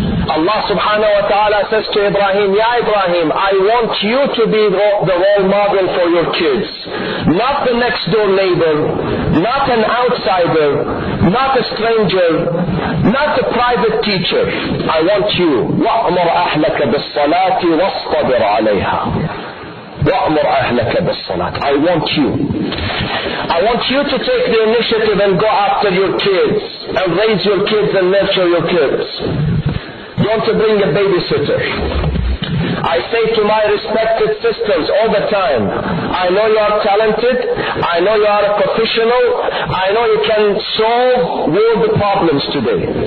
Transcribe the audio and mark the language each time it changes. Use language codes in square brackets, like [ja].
[en] Allah subhanahu wa ta'ala says to Ibrahim, Ya Ibrahim, I want you to be the role model for your kids. Not the next door neighbor, not an outsider, not a stranger, not a private teacher. I want you. [ar] وَأْمُرْ أَحْلَكَ بِالصَّلَاةِ وَاصْطَبِرْ عَلَيْهَا وَأْمُرْ أَهْلَكَ بِالصَّلَاةِ [en] I want you. I want you to take the initiative and go after your kids and raise your kids and nurture your kids. Don't bring a babysitter. I say to my respected sisters all the time, I know you are talented, I know you are a professional, I know you can solve world problems today.